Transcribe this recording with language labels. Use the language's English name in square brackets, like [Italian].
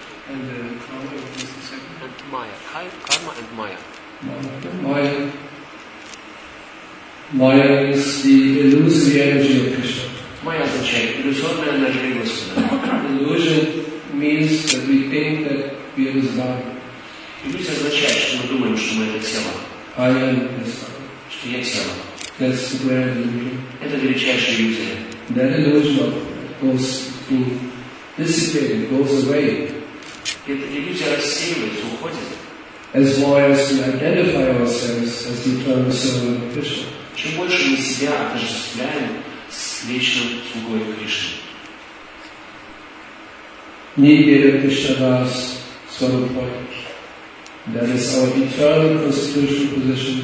[English] And the karma is the second. And Maya. Hai, karma and Maya. Maya. Maya is the illusory energy of Krishna. [Russian] Maya означает иллюзорная энергия Господа. [English] Illusion means that we think that we are his body. [Russian] Иллюзия означает, что мы думаем, что мы это тело. [English] I am this body. [Russian] Что я тело. [English] That's the grand illusion. [Russian] Это величайшая иллюзия. [English] That illusion of goes to dissipate, goes away. [Russian] Эта иллюзия рассеивается, уходит. [English] As long as we identify ourselves as the eternal servant of Krishna. [Russian] Чем больше мы себя отождествляем с вечным слугой Кришны. [English] Нигера Кришна Дас Сварупа. That is our eternal constitutional position.